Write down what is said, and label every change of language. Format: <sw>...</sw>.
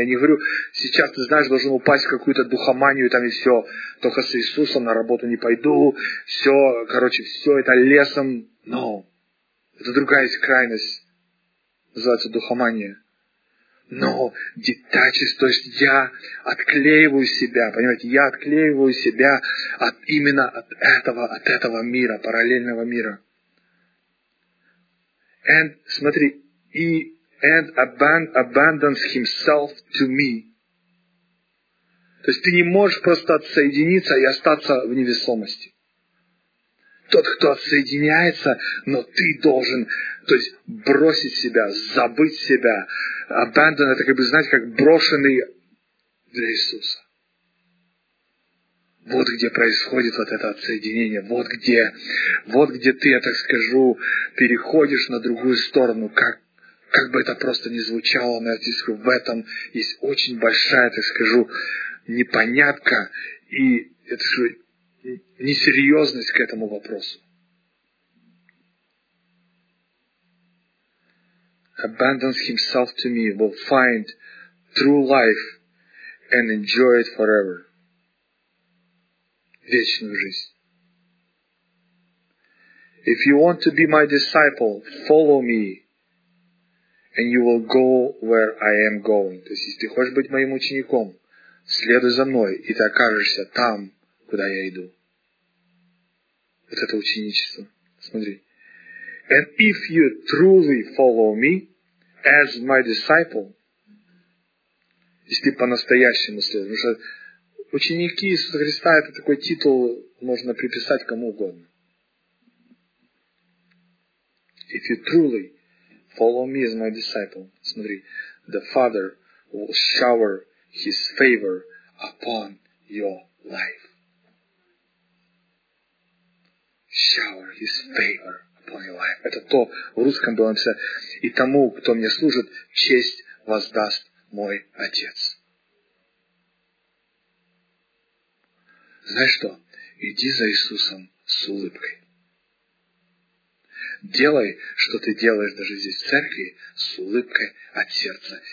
<ru>Я не говорю, сейчас ты знаешь, должен упасть в какую-то духоманию там и все, только с Иисусом на работу не пойду, все, короче, все это лесом, но это другая крайность, называется духомания. Но detaches, то есть я отклеиваю себя, понимаете, я отклеиваю себя от именно от этого мира, параллельного мира.</ru> <en>And, смотри, and abandons himself to me.</en> <ru>То есть ты не можешь просто отсоединиться и остаться в невесомости. Тот, кто отсоединяется, но ты должен, то есть бросить себя, забыть себя. Abandon — это, как бы, знаете, как брошенный для Иисуса. Вот где происходит вот это отсоединение. Вот где ты, я так скажу, переходишь на другую сторону. Как бы это просто ни звучало, но я тебе скажу, в этом есть очень большая, так скажу, непонятка и, я так скажу, несерьезность к этому вопросу.</ru> <en>Abandons himself to me, will find true life and enjoy it forever.</en> <ru>Вечную жизнь.</ru> <en>If you want to be my disciple, follow me and you will go where I am going.</en> <ru>То есть, если ты хочешь быть моим учеником, следуй за мной, и ты окажешься там, куда я иду. Вот это ученичество. Смотри. And if you truly follow me as my disciple, если по-настоящему следуешь, потому что ученики Иисуса Христа — это такой титул, можно приписать кому угодно.</ru> <en>If you truly follow me as my disciple, смотри, the Father will shower his favor upon your life. Shower his favor upon your life.</en> <ru>Это то, в русском было написано, и тому, кто мне служит, честь воздаст мой Отец. Знаешь что? Иди за Иисусом с улыбкой. Делай, что ты делаешь даже здесь в церкви, с улыбкой от сердца.</ru>